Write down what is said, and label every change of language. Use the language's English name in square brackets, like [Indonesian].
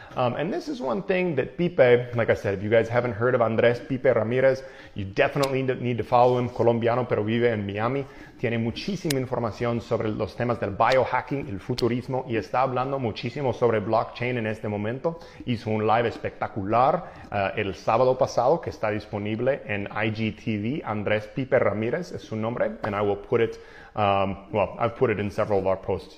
[English] And this is one thing that Pipe, like I said, if you guys haven't heard of Andrés Pipe Ramírez, you definitely need to follow him. [Spanish] Colombiano, pero vive en Miami. Tiene muchísima información sobre los temas del biohacking, el futurismo, y está hablando muchísimo sobre blockchain en este momento. Hizo un live espectacular el sábado pasado que está disponible en IGTV. [English] Andrés Pipe Ramírez [Spanish] es su nombre, [English] and I will put it I've put it in several of our posts.